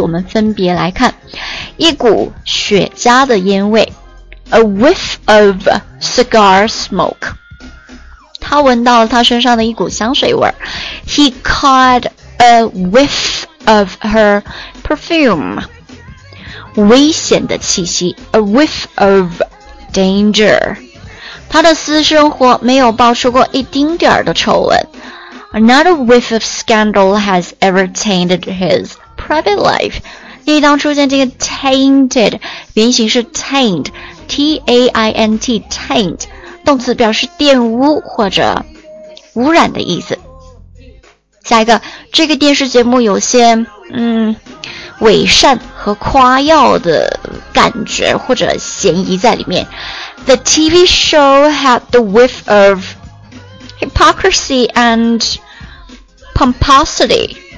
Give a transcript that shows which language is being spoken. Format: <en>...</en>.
<zh>我们分别来看，一股雪茄的烟味 ，</zh> <en>a whiff of cigar smoke，</en> <zh>他闻到了他身上的一股香水味 ，</zh> <en>he caught。 A whiff of her perfume，</en> <zh>危险的气息。</zh> <en>A whiff of danger，</en> <zh>她的私生活没有爆出过一丁点的丑闻。</zh> <en>Not a whiff of scandal has ever tainted his private life。</en> <zh>一当出现这个 tainted， 原型是 taint， T-A-I-N-T， taint， 动词表示玷污或者污染的意思。下一个，这个电视节目有些伪善和夸耀的感觉或者嫌疑在里面。</zh> <en>The TV show had the whiff of hypocrisy and pomposity。</en>